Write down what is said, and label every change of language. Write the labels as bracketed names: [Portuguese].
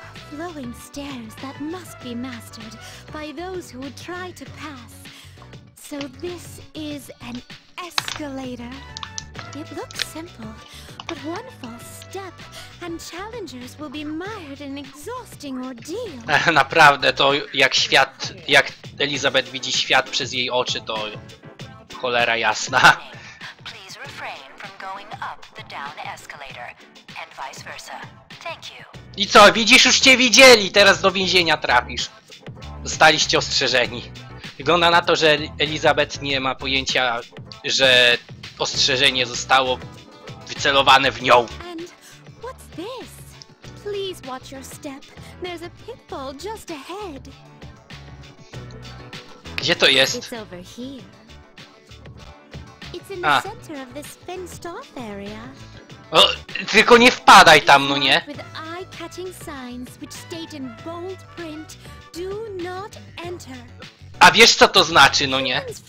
[English] Flowing stairs that must be mastered by those who would try to pass. So this is an escalator. It looks simple, but one false step and challengers will be mired in exhausting ordeal. [Polish] Naprawdę, to jak świat, jak Elizabeth widzi świat przez jej oczy, to cholera jasna. [English] Please refrain from going up the down escalator and vice versa. Thank you. [Polish] I co, widzisz, już cię widzieli, teraz do więzienia trafisz. Zostaliście ostrzeżeni. Wygląda na to, że Elizabeth nie ma pojęcia, że ostrzeżenie zostało wycelowane w nią. [English] And what's this? Please watch your step. There's a pitfall just ahead. [Polish] Gdzie to jest? [English] It's over here. It's in the center of this fenced off area. [Polish] O, tylko nie wpadaj tam, no nie? [English] With eye-catching signs, which state in bold print, do not enter. [Polish] A wiesz, co to znaczy, no nie?